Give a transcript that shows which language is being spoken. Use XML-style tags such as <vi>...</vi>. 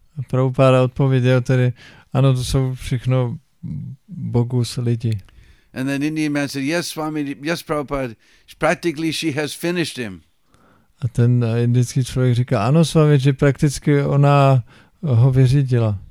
<cs>Prabhupada odpověděl tedy, ano, to jsou všechno bogus lidi.</cs> <en>And then Indian man said, yes, Swami, yes, Prabhupada. Practically, she has finished him.</en> <cs>A ten indický člověk říká, ano, Swami, že prakticky ona ho vyřídila.</cs>